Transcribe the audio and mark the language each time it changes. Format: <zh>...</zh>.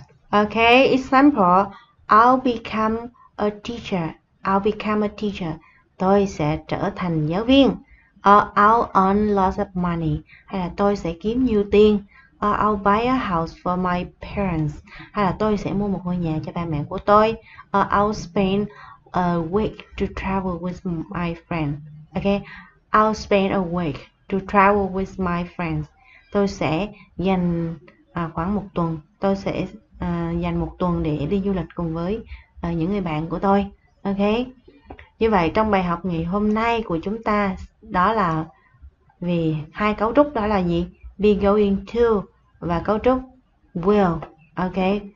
<en>Okay, example. I'll become a teacher. I'll become a teacher.</en> <vi>Tôi sẽ trở thành giáo viên.</vi> <en>Or I'll earn lots of money.</en> <vi>Hay là tôi sẽ kiếm nhiều tiền.</vi> <en>Or I'll buy a house for my parents.</en> <vi>Hay là tôi sẽ mua một ngôi nhà cho ba mẹ của tôi.</vi> <en>Or I'll spend a week to travel with my friend. Okay, I'll spend a week to travel with my friends.</en> <vi>Tôi sẽ dành khoảng một tuần. Tôi sẽ dành một tuần để đi du lịch cùng với những người bạn của tôi. Okay. Như vậy trong bài học ngày hôm nay của chúng ta, đó là về hai cấu trúc, đó là gì? Be going to và cấu trúc will. Okay.</vi>